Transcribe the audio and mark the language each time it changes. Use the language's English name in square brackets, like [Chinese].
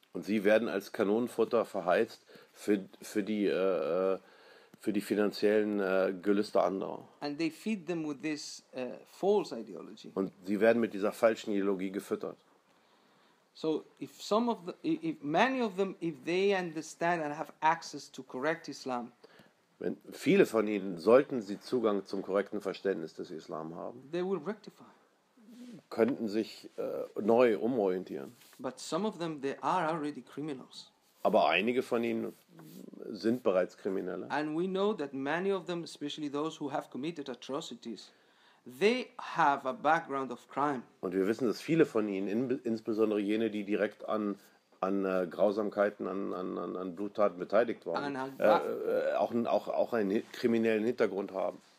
[German] Und sie werden als Kanonenfutter verheizt für die finanziellen Gelüste anderer. [English] And they feed them with this false ideology. [German] Und sie werden mit dieser falschen Ideologie gefüttert. [English] So if some of the, if many of them, if they understand and have access to correct Islam. [German] Wenn viele von ihnen, sollten sie Zugang zum korrekten Verständnis des Islam haben, [English] they will rectify. [German] Könnten sich neu umorientieren. [English] But some of them, they are already criminals. [German] Aber einige von ihnen sind bereits Kriminelle. [English] And we know that many of them, especially those who have committed atrocities, they have a background of crime. [German] Und wir wissen, dass viele von ihnen, insbesondere jene, die direkt an Grausamkeiten, an Bluttaten beteiligt waren, auch einen kriminellen Hintergrund haben.